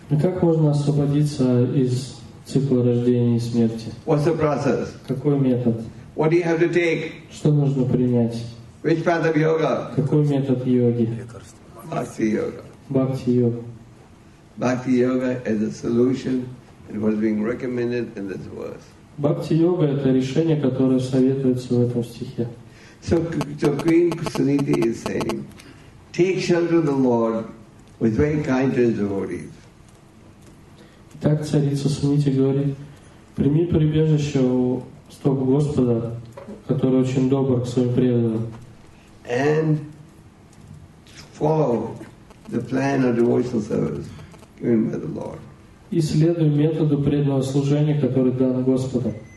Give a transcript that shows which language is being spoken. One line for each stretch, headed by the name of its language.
Russian: И как можно освободиться из цикла рождения и смерти?
English: What's the process?
Russian: Какой метод?
English: What do you have to take?
Russian: Что нужно принять?
English: Which path of yoga?
Russian: Какой метод йоги?
English: Bhakti-yoga. Bhakti-yoga is a solution and what is being recommended in this verse.
Russian: Бхакти-йога — это решение, которое советуется в этом стихе.
English: So Queen Suniti is saying, take shelter of the Lord with very kind to his devotees.
Russian: Так царица Сунити говорит, прими прибежище у стоп Господа, который очень добр к своим преданным.
English: And follow the plan of devotional service given by the Lord.
Russian: И следуй методу преданного служения, который дан Господу.